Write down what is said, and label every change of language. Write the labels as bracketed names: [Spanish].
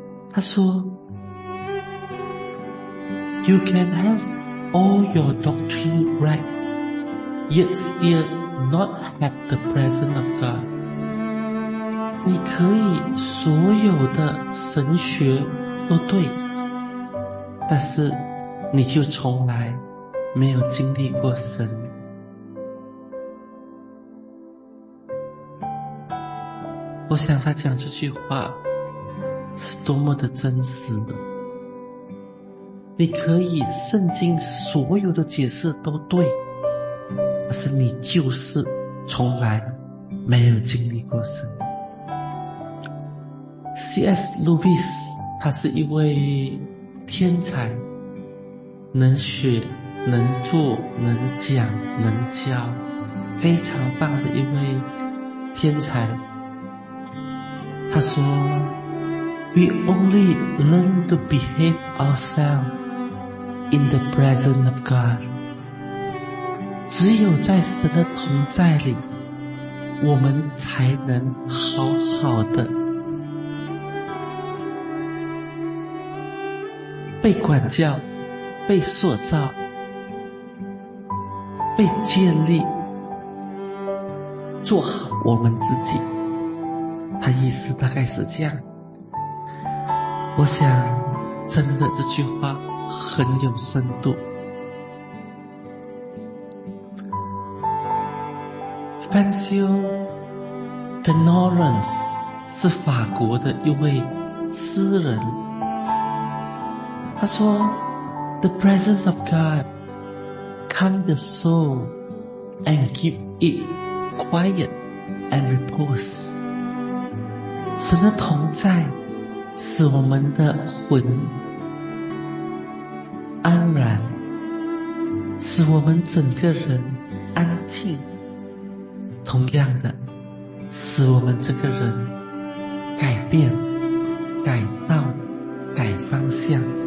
[Chinese] 他说 [English] You can have all your doctrine right, yet still not have the presence of God. [Chinese] 你可以所有的神学都对，但是你就从来没有经历过神。我想他讲这句话是多么的真实的，你可以圣经所有的解释都对，但是你就是从来没有经历过神。 [English] C.S. [Chinese] Lewis 他是一位天才，能学能做能讲能教，非常棒的一位天才。他说 [English] We only learn to behave ourselves in the presence of God. [Chinese] 只有在神的同在里，我们才能好好的。被管教，被塑造，被建立，做好我们自己。他意思大概是这样。我想真的这句话很有深度。 [English] Francis de Lawrence [Chinese] 是法国的一位诗人，他说 [English] The presence of God calm the soul and give it quiet and repose。 [Chinese] 神的同在使我们的魂安然，使我们整个人安静，同样的使我们这个人改变、改道、改方向。